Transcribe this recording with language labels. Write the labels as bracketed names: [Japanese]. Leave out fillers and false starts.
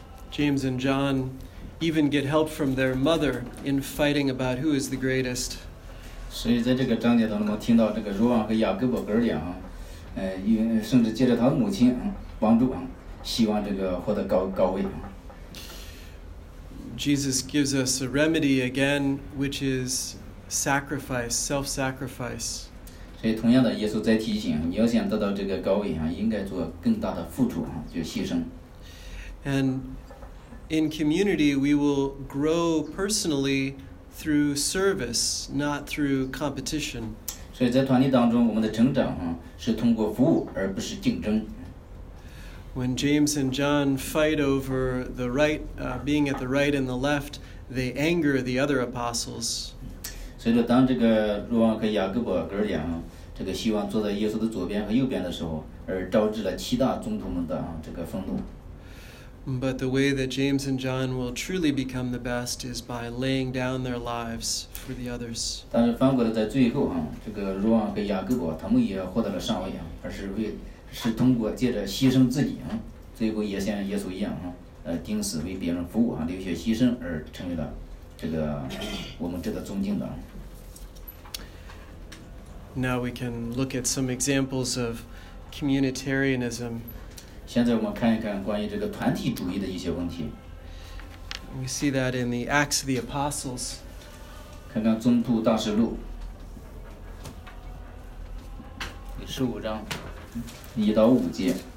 [English] James and John even get help from their mother in fighting about who is the greatest. [Chinese] 所以在这个章节当中，我们听到这个若望和雅各伯哥俩，甚至借着他的母亲帮助，希望这个获得高位。 [English] Jesus gives us a remedy again, which is sacrifice, self-sacrifice. [Chinese] 所以同样的，耶稣在提醒，你要想得到这个高位，应该做更大的付出，就牺牲。 [English] And in community, we will grow personally through service, not through competition. [Chinese] 所以在团体当中，我们的成长是通过服务，而不是竞争。 [English] When James and John fight over the right, being at the right and the left, they anger the other apostles. [Chinese] 所以说，当这个若望和雅各伯哥俩这个希望坐在耶稣的左边和右边的时候，而招致了七大宗徒们的这个愤怒。 [English] But the way that James and John will truly become the best is by laying down their lives for the others. [Chinese] 但是反过来，在最后这个若望和雅各伯他们也获得了上位而是为是通过借着牺牲自己最后也像耶稣一样钉死为别人服务流血牺牲而成为了这个我们值得尊敬的。 [English] Now we can look at some examples of communitarianism. [Chinese] 现在我们看一看关于这个团体主义的一些问题。 [English] We see that in the Acts of the Apostles. [Chinese] 看看《宗徒大事录》十五章一到五节。